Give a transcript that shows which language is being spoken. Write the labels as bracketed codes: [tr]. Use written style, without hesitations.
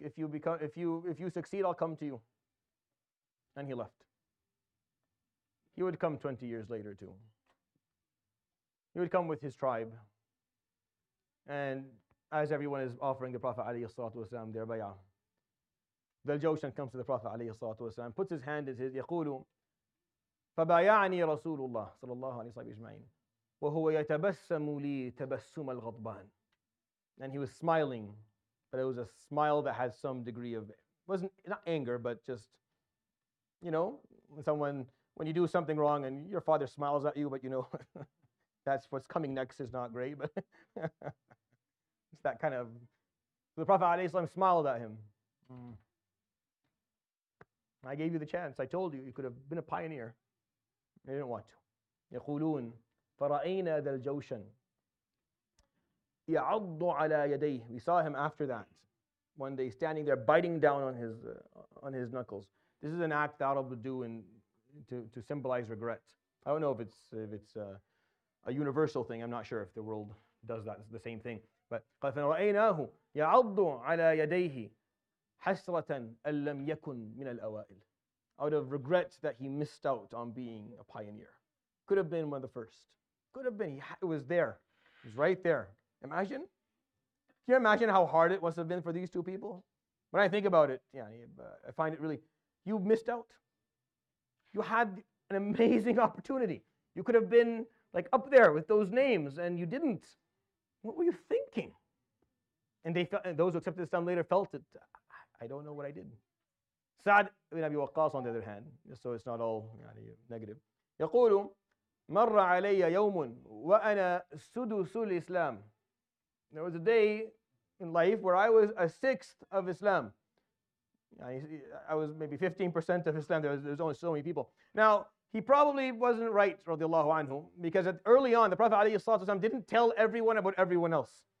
[en] If you succeed, I'll come to you." And he left. He would come 20 years later too. He would come with his tribe, and as everyone is offering the Prophet ﷺ their bay'ah, Zaljawshan comes to the Prophet alayhi salatu wasalam, puts his hand in his, [ar] يَقُولُ فَبَايَعْنِي رَسُولُ اللَّهِ صَلَى اللَّهُ عَلَيْهِ وَسَلَّمَ إِجْمَعِينَ وَهُوَ يَتَبَسَّمُ لِي تَبَسُّمَ الْغَضْبَانِ. [en] And he was smiling, but it was a smile that had some degree of, wasn't, not anger, but just, you know, someone, when you do something wrong and your father smiles at you, but you know, that's what's coming next is not great, but it's that kind of, the Prophet alayhi salam smiled at him. I gave you the chance. I told you, you could have been a pioneer. They didn't want to. [ar] يقولون فرأينا ذا الجوشن يعض على يديه. [en] We saw him after that, one day standing there biting down on his knuckles. This is an act that Arab would do to symbolize regret. I don't know if it's a universal thing. I'm not sure if the world does that. It's the same thing. [ar] But فرأيناه يعض على يديه حسرة ألم يكن من الأوائل. [en] Out of regret that he missed out on being a pioneer. Could have been one of the first. Could have been. It was there. It was right there. Imagine. Can you imagine how hard it must have been for these two people? When I think about it, I find it really, you missed out. You had an amazing opportunity. You could have been like up there with those names and you didn't. What were you thinking? And they felt, and those who accepted Islam later felt it. I don't know what I did. Sa'd ibn Abi Waqqas, on the other hand, just so it's not all negative. [ar] يقول مر علي يوم وأنا سدس الإسلام. [en] There was a day in life where I was a sixth of Islam. I was maybe 15% of Islam. There was only so many people. Now, he probably wasn't right, radiallahu anhu, because early on, the Prophet alayhi salatu wasalam didn't tell everyone about everyone else.